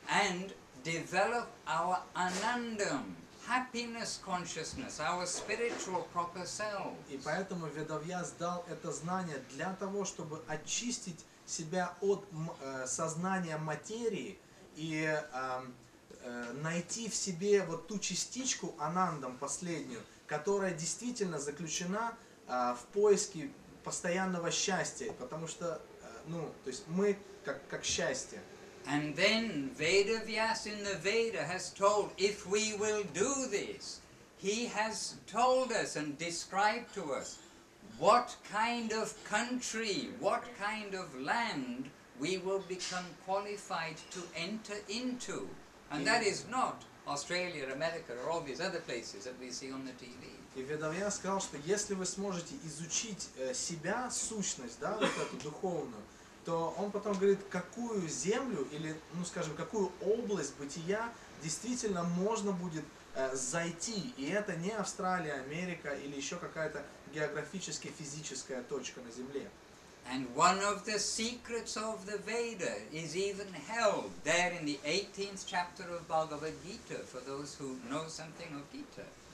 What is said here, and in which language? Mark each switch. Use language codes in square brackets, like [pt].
[en] and develop our anandam, happiness consciousness, our spiritual proper selves. [ru] И поэтому Ведавьяс дал это знание для того, чтобы очистить себя от сознания материи и найти в себе вот ту частичку анандам последнюю, которая действительно заключена в поиске постоянного счастья, потому что ну, то есть мы как счастье. [en] And then Vedavyas in the Veda has told, if we will do this, he has told us and described to us what kind of country, what kind of land we will become qualified to enter into. And that is not Australia or America or all these other places that we see on the TV. [ru] И Ведавьяс сказал, что если вы сможете изучить себя, сущность, да, вот эту духовную, то он потом говорит, какую землю или, ну скажем, какую область бытия действительно можно будет зайти. И это не Австралия, Америка или еще какая-то географически физическая точка на Земле. [en] And one of the secrets of the Veda is even held there in the 18th chapter of Bhagavad Gita, for those who know something of Gita.